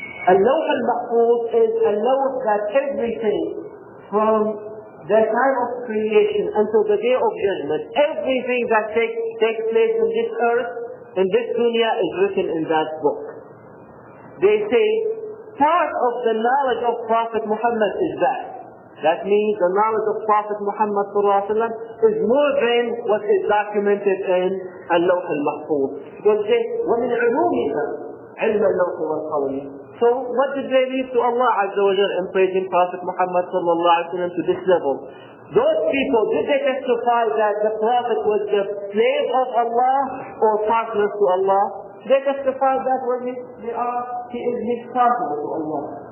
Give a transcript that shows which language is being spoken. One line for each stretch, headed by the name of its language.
English: Al-lawh al-mahfuz is a lawh that everything from the time of creation until the day of judgment, everything that takes place in this earth, in this dunya, is written in that book. They say, part of the knowledge of Prophet Muhammad is that. That means the knowledge of Prophet Muhammad is more than what is documented in al-lawh al-mahfuz. They'll say,
Arabic: وَمِنْ عِلُومِهَا عِلْمَ اللَّوْحِ وَالْقَوْمِ.
English: So what did they leave to Allah Azza wa Jalla in praising Prophet Muhammad to this level? Those people, did they testify that the Prophet was the slave of Allah or partner to Allah? They testify that when he is his partner to Allah.